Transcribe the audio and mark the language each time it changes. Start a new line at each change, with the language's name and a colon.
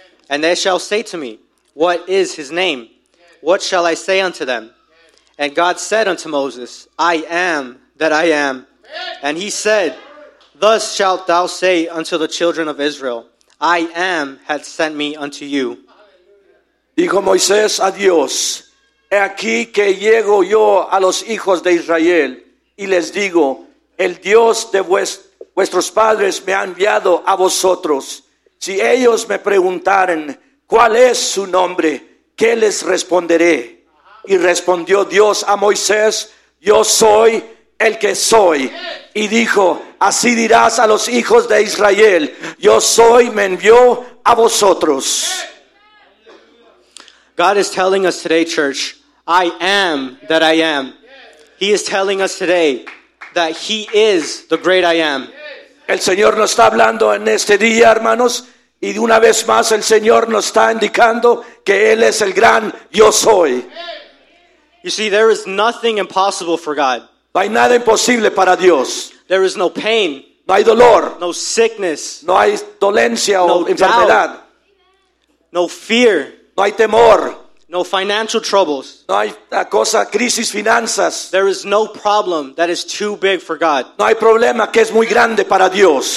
English: And they shall say to me, What is his name? What shall I say unto them? And God said unto Moses, I am that I am. And he said, Thus shalt thou say unto the children of Israel, I am hath sent me unto you.
Spanish: Dijo Moisés a Dios, he aquí que llego yo a los hijos de Israel y les digo, el Dios de vuestros padres me ha enviado a vosotros. Si ellos me preguntaren, ¿cuál es su nombre? ¿Qué les responderé? Y respondió Dios a Moisés, yo soy el que soy. Y dijo, así dirás a los hijos de Israel, yo soy me envió a vosotros.
English: God is telling us today, church, I am that I am. He is telling us today that he is the great I am.
Spanish: El Señor nos está hablando en este día, hermanos, y de una vez más el Señor nos está indicando que él es el gran yo soy.
English: You see, there is nothing impossible for God.
Spanish: No hay nada imposible para Dios.
English: There is no pain.
Spanish: No hay dolor.
English: No sickness.
Spanish: No hay dolencia o enfermedad.
English: No fear.
Spanish: No hay temor.
English: No financial troubles.
Spanish: No hay cosa, crisis, finanzas.
English: There is no problem that is too big for God.
Spanish: No hay problema que es muy grande para Dios.